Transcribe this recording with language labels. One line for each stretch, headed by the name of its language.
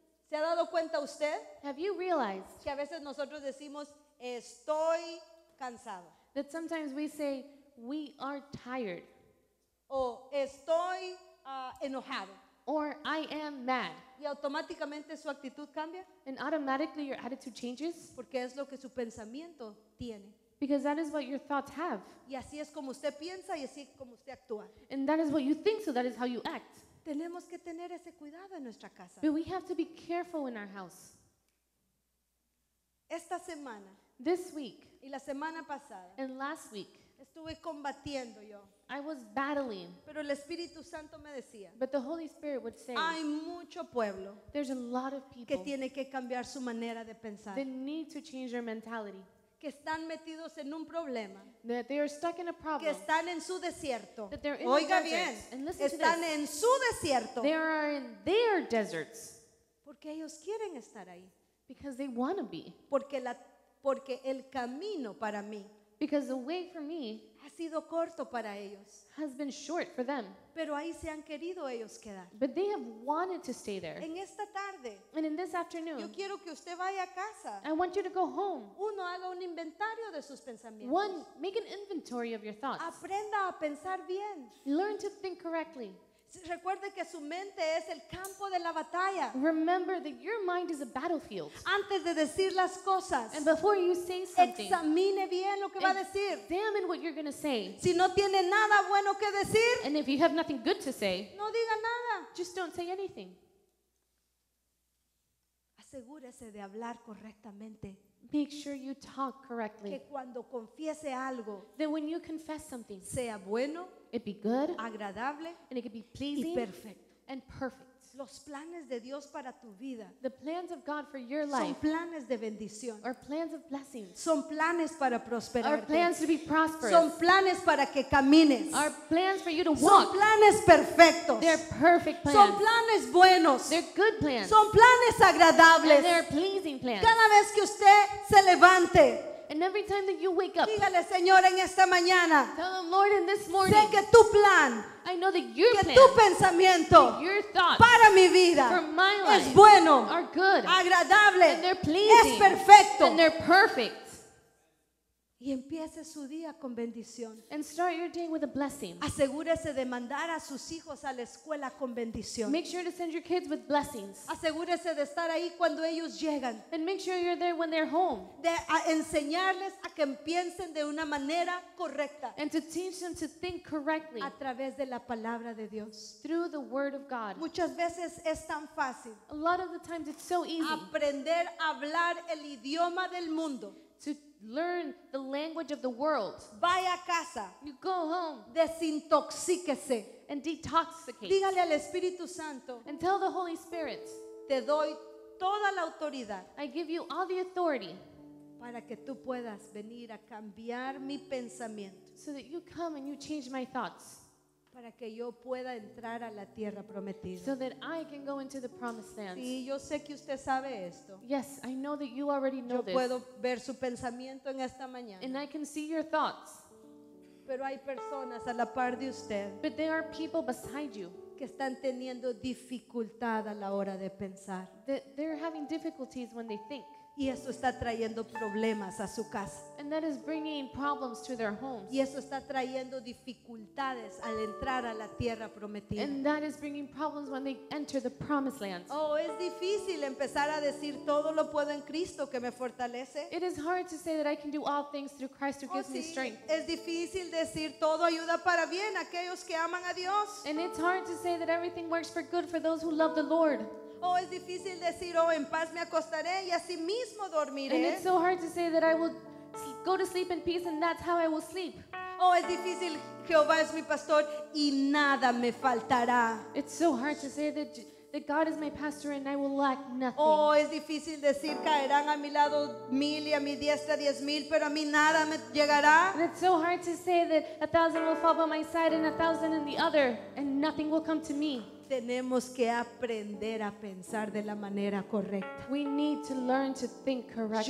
Spanish: ¿Se ha dado cuenta usted?
English: Have you realized?
Spanish: Que a veces nosotros decimos, estoy cansado.
English: That sometimes we say, we are tired.
Spanish: O estoy enojado.
English: Or I am mad.
Spanish: Y automáticamente su actitud cambia.
English: And automatically your attitude changes.
Spanish: Porque es lo que su pensamiento tiene.
English: Because that is what your thoughts have.
Spanish: Y así es como usted piensa y así como usted actúa.
English: And that is what you think, so that is how you act.
Spanish: Tenemos que tener ese cuidado en nuestra casa.
English: But we have to be careful in our house.
Spanish: Esta semana,
English: this week,
Spanish: y la semana pasada,
English: and last week,
Spanish: estuve combatiendo yo.
English: I was battling.
Spanish: Pero el Espíritu Santo me decía,
English: but the Holy Spirit would say,
Spanish: hay mucho pueblo,
English: there's a lot of people
Spanish: que tiene que cambiar su manera de pensar.
English: They need to change their mentality.
Spanish: Que están metidos en un problema.
English: That they are stuck in a problem.
Spanish: Que están en su desierto.
English: That they're in
Spanish: Oiga
English: the desert.
Spanish: Bien.
English: And listen
Spanish: están
English: to this.
Spanish: En su desierto.
English: They are in their deserts.
Spanish: Porque ellos quieren estar ahí.
English: Because they want to be.
Spanish: Porque el camino para mí.
English: Because the way for me.
Spanish: Ha sido corto para ellos.
English: Has been short for them.
Spanish: Pero ahí se han querido ellos quedar.
English: But they have wanted to stay there.
Spanish: En esta tarde,
English: and in this afternoon,
Spanish: yo quiero que usted vaya a casa.
English: I want you to go home.
Spanish: Uno, haga un inventario de sus pensamientos.
English: One, make an inventory of your thoughts.
Spanish: Aprenda a pensar bien.
English: Learn to think correctly.
Spanish: Recuerde que su mente es el campo de la batalla.
English: Remember that your mind is a battlefield.
Spanish: Antes de decir las cosas,
English: and before you say something,
Spanish: examine bien lo que va a decir.
English: Examine what you're going to say.
Spanish: Si no tiene nada bueno que decir,
English: and if you have nothing good to say,
Spanish: no diga nada.
English: Just don't say anything.
Spanish: Asegúrese de hablar correctamente.
English: Make sure you talk correctly.
Spanish: Que cuando confiese algo,
English: that when you confess something,
Spanish: sea bueno,
English: it be good,
Spanish: agradable,
English: and it could be pleasing,
Spanish: y perfecto,
English: and perfect.
Spanish: Los planes de Dios para tu vida,
English: the plans of God for your life,
Spanish: son planes de bendición,
English: are plans of blessings,
Spanish: son planes para prosperarte,
English: are plans to be prosperous,
Spanish: son planes para que camines,
English: are plans for you to walk,
Spanish: son planes perfectos,
English: they're perfect plans,
Spanish: son planes buenos,
English: they're good plans,
Spanish: son planes agradables,
English: and they're pleasing plans.
Spanish: Cada vez que usted se levante,
English: and every time that you wake up,
Spanish: dígale, Señor, en esta mañana,
English: tell the Lord in this morning,
Spanish: sé que tu plan,
English: I know that your
Spanish: que
English: plan,
Spanish: tu pensamiento,
English: that your thoughts,
Spanish: para mi vida,
English: for my life,
Spanish: es bueno,
English: are good,
Spanish: agradable,
English: and they're pleasing,
Spanish: es perfecto,
English: and they're perfect.
Spanish: Y empiece su día con bendición.
English: And start your day with a blessing.
Spanish: Asegúrese de mandar a sus hijos a la escuela con bendición.
English: Make sure to send your kids with blessings.
Spanish: Asegúrese de estar ahí cuando ellos llegan.
English: And make sure you're there when they're home.
Spanish: De enseñarles a que piensen de una manera correcta.
English: And to teach them to think correctly.
Spanish: A través de la palabra de Dios.
English: Through the word of God.
Spanish: Muchas veces es tan fácil.
English: A lot of the times it's so easy.
Spanish: Aprender a hablar el idioma del mundo.
English: To learn the language of the world.
Spanish: Vaya a casa.
English: You go home.
Spanish: Desintoxíquese.
English: And detoxicate.
Spanish: Dígale al Espíritu Santo.
English: And tell the Holy Spirit.
Spanish: Te doy toda la autoridad.
English: I give you all the authority.
Spanish: Para que tú puedas venir a cambiar mi pensamiento.
English: So that you come and you change my thoughts.
Spanish: Para que yo pueda entrar a la tierra prometida.
English: So that I can go into the promised land.
Spanish: Sí, yo sé que usted sabe esto.
English: Yes, I know that you already know this.
Spanish: Yo puedo ver su pensamiento en esta mañana.
English: And I can see your thoughts.
Spanish: Pero hay personas a la par de usted.
English: But there are people beside you.
Spanish: Que están teniendo dificultad a la hora de pensar.
English: That they're having difficulties when they think.
Spanish: Y eso está trayendo problemas a su casa.
English: And that is bringing problems to their homes.
Spanish: Y eso está trayendo dificultades al entrar a la tierra prometida.
English: And that is bringing problems when they enter the promised land.
Spanish: Oh, es difícil empezar a decir todo lo puedo en Cristo que me fortalece.
English: It is hard to say that I can do all things through Christ who gives
Spanish: sí.
English: me strength.
Spanish: Es difícil decir todo ayuda para bien a aquellos que aman a Dios.
English: And it's hard to say that everything works for good for those who love the Lord.
Spanish: Oh, es difícil decir, oh, en paz me acostaré y así mismo dormiré.
English: And it's so hard to say that I will go to sleep in peace and that's how I will sleep.
Spanish: Oh, es difícil, Jehová es mi pastor y nada me faltará.
English: It's so hard to say that God is my pastor and I will lack nothing.
Spanish: Oh, es difícil decir, caerán a mi lado mil y a mi diestra 10,000, pero a mí nada me llegará.
English: And it's so hard to say that 1,000 will fall by my side and 1,000 in the other and nothing will come to me.
Spanish: Tenemos que aprender a pensar de la manera correcta.
English: We need to learn to think correctly.